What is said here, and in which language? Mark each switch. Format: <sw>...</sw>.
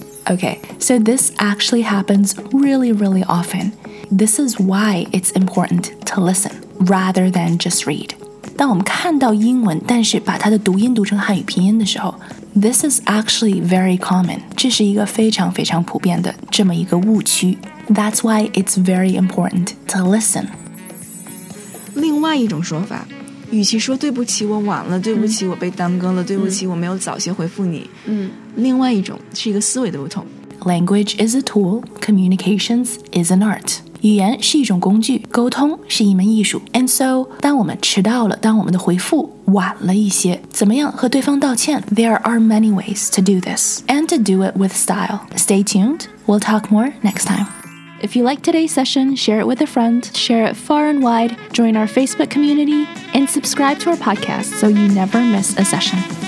<en>Okay, so this actually happens really, really often. This is why it's important to listen rather than just read.</en> <zh>当我们看到英文但是把它的读音读成汉语拼音的时候</zh> <en>this is actually very common.</en> <zh>这是一个非常非常普遍的这么一个误区</zh> <en>That's why it's very important to listen.</en> <zh>另外一种说法与其说对不起我晚了对不起我被耽搁了、对不起我没有早些回复你、另外一种是一个思维的不同</zh> <en>Language is a tool, communications is an art</en> <zh>语言是一种工具沟通是一门艺术</zh> <en>And so,</en> <zh>当我们迟到了当我们的回复晚了一些怎么样和对方道歉</zh> <en>There are many ways to do this And to do it with style Stay tuned, we'll talk more next timeIf you like today's session, share it with a friend, share it far and wide, join our Facebook community, and subscribe to our podcast so you never miss a session.</en>